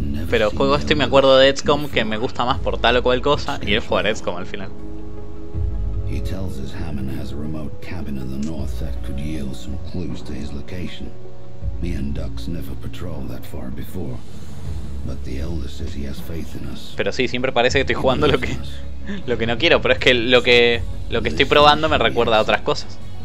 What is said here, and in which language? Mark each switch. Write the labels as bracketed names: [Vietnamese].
[Spanish] Pero juego esto y me acuerdo de XCOM, que me gusta más por tal o cual cosa, y es jugar XCOM al final. [English] He tells us Hammond has a remote cabin in the north that could yield some clues to his location. Me and Ducks never patrolled that far before. But the elder says he has faith in us. [Spanish] Pero sí, siempre parece que estoy jugando lo que no quiero, pero es que lo que estoy probando me recuerda a otras cosas.